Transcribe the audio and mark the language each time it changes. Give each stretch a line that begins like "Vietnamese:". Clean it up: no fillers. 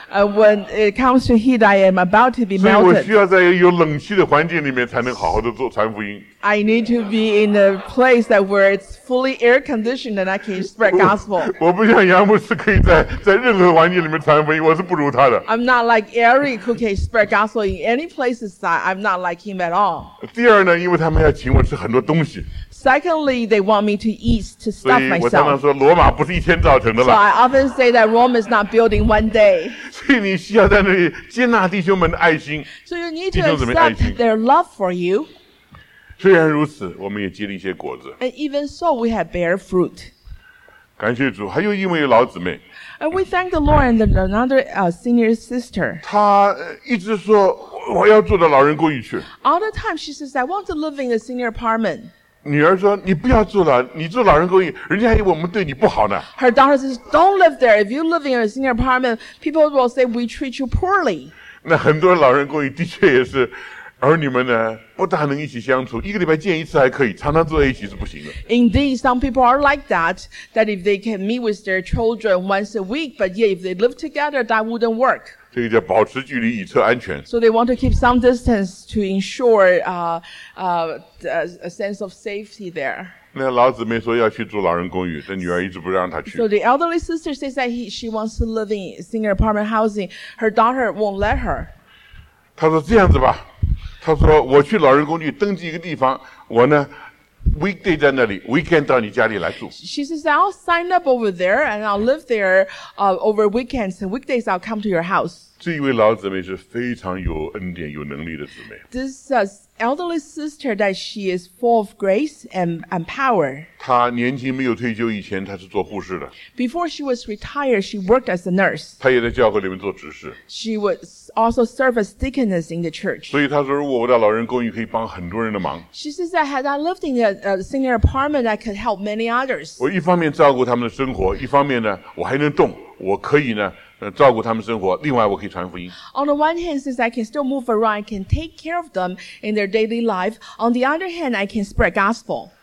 English: When it comes to heat, I am about to be melted.
Chinese: 所以我需要在有冷气的环境里面才能好好的做传福音。
English: I need to be in a place that where it's fully air conditioned and I can spread gospel.
Chinese: 我不像杨牧师可以在任何环境里面传福音，我是不如他的。
English: I'm not like Eric who can spread gospel in any places. I'm not like him at all.
Chinese: 第二呢，因为他们要请我吃很多东西。
English: Secondly, they want me to eat to stuff myself.
Chinese: 所以我常常说，罗马不是一天造成的了。
English: So I often say that Rome is not built in one day.
Chinese: 所以你需要在那里接纳弟兄们的爱心。
English: So you need to accept their love for you.
Chinese: 虽然如此，我们也结了一些果子。
English: And even so, we have bear fruit.
Chinese: 感谢主，还有因为有老姊妹。
English: And we thank the Lord and another senior sister.
Chinese: 她一直说我要住到老人公寓去。
English: All the time she says, I want to live in a senior apartment.
Chinese: 女儿说：“你不要住了，你住老人公寓，人家还以为我们对你不好呢。”
English: Her daughter says, "Don't live there. If you live in a senior apartment, people will say we treat you poorly."
Chinese: 那很多老人公寓的确也是，儿女们呢不大能一起相处，一个礼拜见一次还可以，常常坐在一起是不行的。
English: Indeed, some people are like that. That if they can meet with their children once a week, but yet if they live together, that wouldn't work.
Chinese: 这个叫保持距离以测安全。
English: So they want to keep some distance to ensure a sense of safety there.
Chinese: 那老姊妹说要去住老人公寓，这女儿一直不让她去。
English: So the elderly sister says that she wants to live in senior apartment housing. Her daughter won't let her.
Chinese: 他说这样子吧，他说我去老人公寓登记一个地方，我呢 weekday 在那里 ，weekend 到你家里来住。
English: She says I'll sign up over there and I'll live there over weekends and weekdays I'll come to your house.
Chinese: 这一位老姊妹是非常有恩典、有能力的姊妹。
English: This elderly sister that she is full of grace and power.
Chinese: 她年轻没有退休以前，她是做护士的。
English: Before she was retired, she worked as a nurse.
Chinese: 她也在教会里面做执事。
English: She was also serve as deaconess in the church.
Chinese: 所以她说，如果我到老人公寓，可以帮很多人的忙。
English: She says that had I lived in a senior apartment, I could help many others.
Chinese: 我一方面照顾他们的生活，一方面呢，我还能动，我可以呢。照顾他们生活，另外我可以传福音。
English: On the one hand, since I can still move around, I can take care of them in their daily life. On the other hand, I can spread gospel.